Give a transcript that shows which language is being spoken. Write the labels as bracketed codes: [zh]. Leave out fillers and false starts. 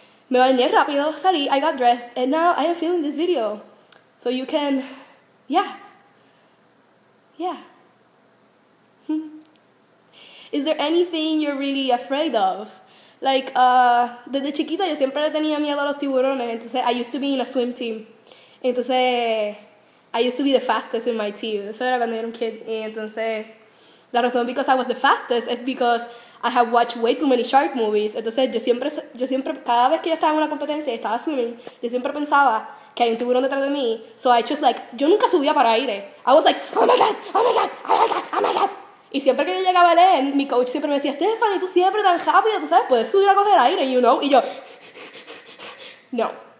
[en] Me bañé rápido, salí, I got dressed. And now I am filming this video. So you can, yeah. Yeah. Is there anything you're really afraid of? [es] Like, desde chiquita yo siempre le tenía miedo a los tiburones. [en] Entonces, I used to be in a swim team. Entonces, I used to be the fastest in my team. Eso era cuando era un kid. Y entonces, la razón because I was the fastest is because I have watched way too many shark movies. [es] Entonces, yo siempre, cada vez que yo estaba en una competencia y estaba swimming, yo siempre pensaba que hay un tiburón detrás de mí. [en] So, I just like, yo nunca subía para aire. I was like, oh my God, oh my God, oh my God, oh my God. [es] Y siempre que yo llegaba a leer, mi coach siempre me decía, Stephanie, tú siempre tan rápido, tú sabes, puedes subir a coger aire, you know? Y yo, no.